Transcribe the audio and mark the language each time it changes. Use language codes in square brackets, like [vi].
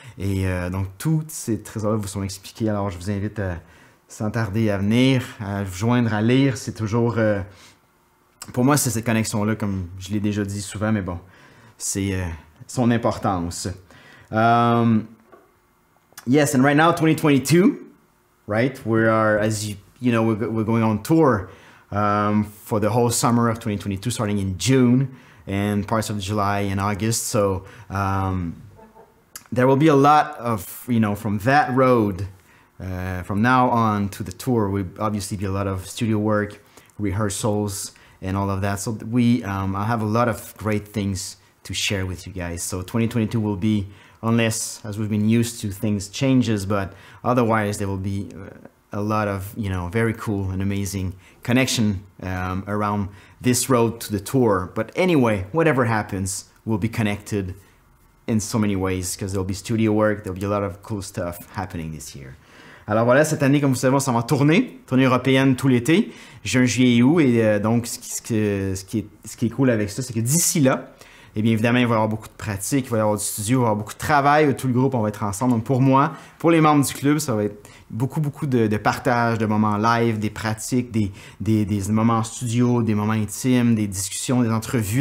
[fr] Et donc, tous ces trésors-là vous sont expliqués. Alors, je vous invite à, sans tarder à venir, à vous joindre, à lire. C'est toujours, pour moi, c'est cette connexion-là, comme je l'ai déjà dit souvent, mais bon, c'est son importance. [en] Yes, and right now, 2022, right? We are, as you know, we're going on tour for the whole summer of 2022, starting in June and parts of July and August. So there will be a lot of, you know, from that road from now on to the tour, we obviously be a lot of studio work, rehearsals, and all of that. So I have a lot of great things to share with you guys. So 2022 will be, unless as we've been used to, things changes, but otherwise there will be a lot of, you know, very cool and amazing connection around this road to the tour. But anyway, whatever happens, we'll be connected in so many ways because there'll be studio work, there'll be a lot of cool stuff happening this year. [fr] Alors voilà, cette année, comme vous savez, on s'en va tournée européenne tout l'été, juin, juillet et août. Et donc, ce qui est cool avec ça, c'est que d'ici là, Et bien évidemment, il va y avoir beaucoup de pratique, il va y avoir du studio, il va y avoir beaucoup de travail, tout le groupe, on va être ensemble. Donc pour moi, pour les membres du club, ça va être beaucoup, beaucoup de partage, de moments live, des pratiques, des moments studio, des moments intimes, des discussions, des entrevues.